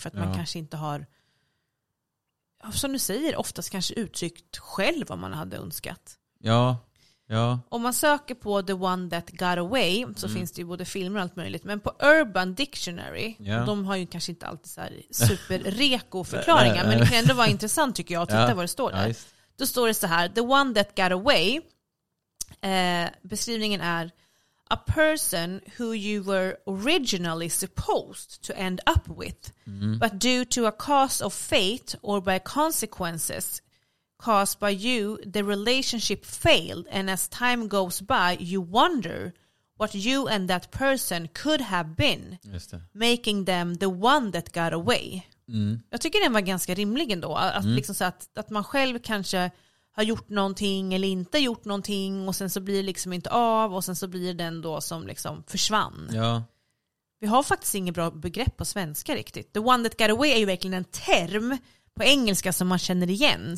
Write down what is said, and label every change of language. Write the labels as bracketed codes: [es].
[sv] För att man kanske inte har, som du säger, oftast kanske uttryckt själv vad man hade önskat. Ja. Ja. Om man söker på The One That Got Away så finns det ju både filmer och allt möjligt. Men på Urban Dictionary, de har ju kanske inte alltid så här superreko-förklaringar, men det kan ändå vara intressant tycker jag att titta vad det står där. Då står det så här, [en] The One That Got Away, [sv] beskrivningen är [en] a person who you were originally supposed to end up with, but due to a cause of fate or by consequences caused by you, the relationship failed, and as time goes by you wonder what you and that person could have been. [sv] Just det. [en] Making them the one that got away. Mm. [sv] Jag tycker den var ganska rimlig ändå. Att, liksom så att man själv kanske har gjort någonting eller inte gjort någonting och sen så blir det liksom inte av och sen så blir den då som liksom försvann. Ja. Vi har faktiskt inget bra begrepp på svenska riktigt. The one that got away är ju verkligen en term på engelska som man känner igen.